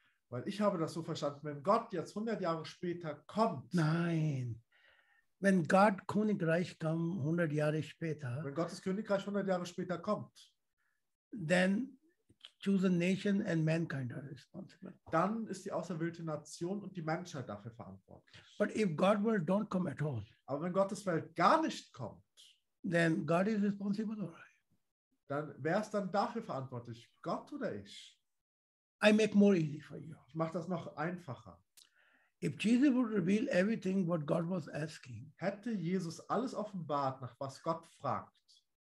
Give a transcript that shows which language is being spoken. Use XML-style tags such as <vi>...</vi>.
<de>Weil ich habe das so verstanden, wenn Gott jetzt 100 Jahre später kommt. Nein. Wenn Gott Königreich kommt 100 Jahre später. Wenn Gottes Königreich 100 Jahre später kommt.</de> <en>Then chosen nation and mankind are responsible.</en> <de>Dann ist die auserwählte Nation und die Menschheit dafür verantwortlich.</de> <en>But if God will don't come at all.</en> <de>Aber wenn Gottes Welt gar nicht kommt.</de> <en>Then God is responsible or I?</en> <de>Dann wer ist dann dafür verantwortlich? Gott oder ich?</de> <en>I make more easy for you.</en> <de>Ich mache das noch einfacher.</de> <en>If Jesus would reveal everything what God was asking.</en> <de>Hätte Jesus alles offenbart, nach was Gott fragt.</de>